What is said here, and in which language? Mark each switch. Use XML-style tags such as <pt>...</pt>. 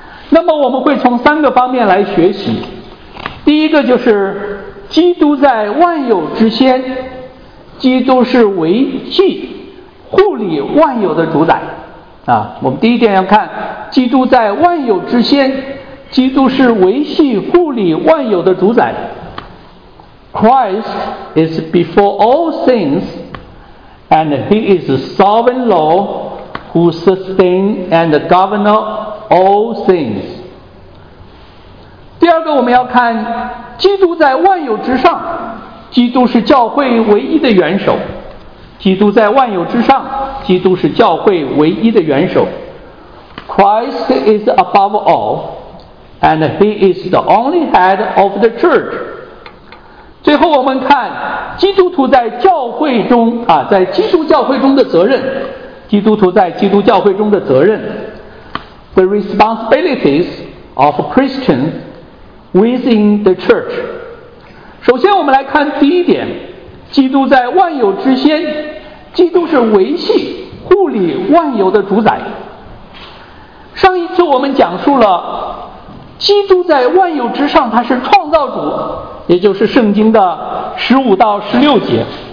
<zh>那么我们会从三个方面来学习。第一个就是基督在万有之先，基督是维系护理万有的主宰啊。我们第一点要看基督在万有之先，基督是维系护理万有的主宰。</zh> <en>Christ is before all things and he is the sovereign Lord who sustains and governs all things。</en> <zh>第二个我们要看基督在万有之上，基督是教会唯一的元首。基督在万有之上，基督是教会唯一的元首。</zh> <en>Christ is above all and he is the only head of the church。</en> <zh>最后我们看基督徒在教会中在基督教会中的责任，基督徒在基督教会中的责任。</zh> <en>The responsibilities of Christians within the church。</en> <zh>首先我们来看第一点，基督在万有之先，基督是维系护理万有的主宰。上一次我们讲述了基督在万有之上，他是创造主，也就是圣经的15到16节。</zh>